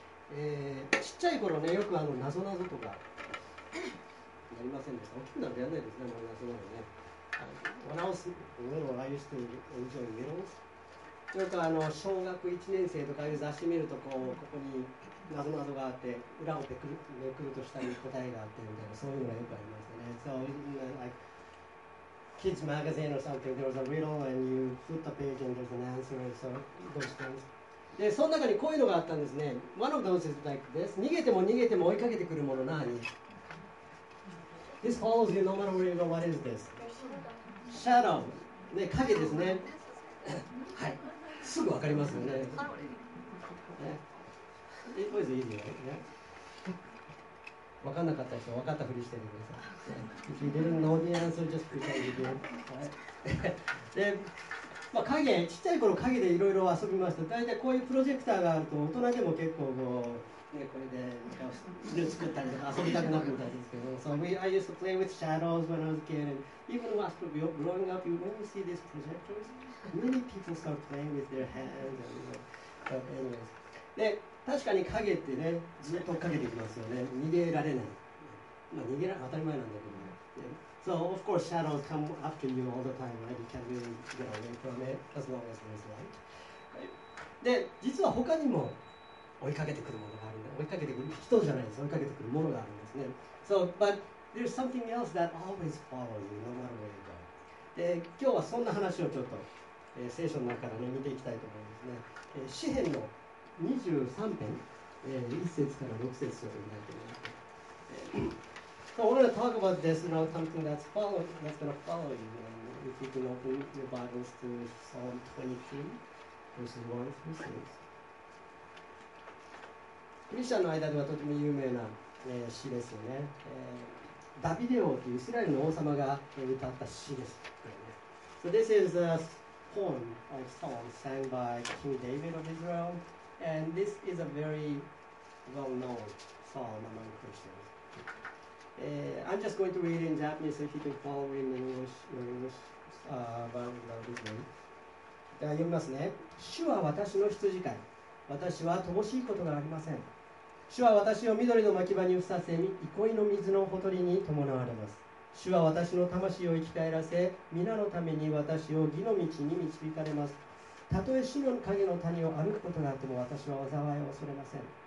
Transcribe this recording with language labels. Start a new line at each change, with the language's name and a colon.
Japanese: ちっちゃい頃ね、よくあの謎なぞとかやりませんでした。大きくなるとやらないですね、もう謎なぞね。
English: When I was little, I used to enjoy riddles。
Japanese: よくあの小学1年生とかいう雑誌見ると、こうここに謎なぞがあって、裏をめくる、めくると下に答えがあってみたいな、そういうのがよくありますね。
English: So, like, kids magazine or something, there was a riddle and you flip the page and there's an answer, so those things.
Japanese: で、その中にこういうのがあったんですね。
English: One of those is like this.
Japanese: 逃げても逃げても追いかけてくるものなに
English: This follows you no matter where you go. What is this? Shadow.
Japanese: ね、影ですね。はい。すぐわかりますよね。
English: ね。It was easy, right?
Japanese: わかんなかった人、わかったふりしてみてください。
English: If you didn't know the answer, just pretend you did.
Japanese: はい。で、まあ、影、ちっちゃい頃影でいろいろ遊びました。大体こういうプロジェクターがあると大人でも結構こう、ね、これで絵を作ったりとか遊びたくなるみたいですけど。
English: So we, I used to play with shadows when I was a kid. And even after growing up, you only see these projectors. Many people start playing with their hands. But anyways.
Japanese: で、確かに影ってね、ずっと追っかけてきますよね。逃げられない。まあ逃げられない、当たり前なんだけど。
English: So of course shadows come after you all the time, right? You can't really get away from it as long as there's light.
Japanese: で、実は他にも追いかけてくるものがあるんだ。追いかけてくる人じゃないです。追いかけてくるものがあるんですね。
English: So, but there's something else that always follows you, no matter where you go.
Japanese: で、今日はそんな話をちょっと、聖書の中からね、見ていきたいと思いますね。詩編の23編、1節から6節を読みたいと思います。
English: So we're going to talk about this, you know, something that's, follow, that's going to follow you. And if you can open your Bibles to Psalm 23, verses 1 through 6.
Japanese: クリスチャンの間ではとても有名な、詩ですよね。ダビデ王というイスラエルの王様が歌った詩です。
English: So this is a poem, a song sang by King David of Israel. And this is a very well-known psalm among Christians. I'm just going to read it in Japanese so if you can follow in English or English about this one.
Japanese: では読みますね。主は私の羊飼い。私は乏しいことがありません。主は私を緑の牧場に伏させ、憩いの水のほとりに伴われます。主は私の魂を生き返らせ、皆のために私を義の道に導かれます。たとえ死の影の谷を歩くことがあっても私は災いを恐れません。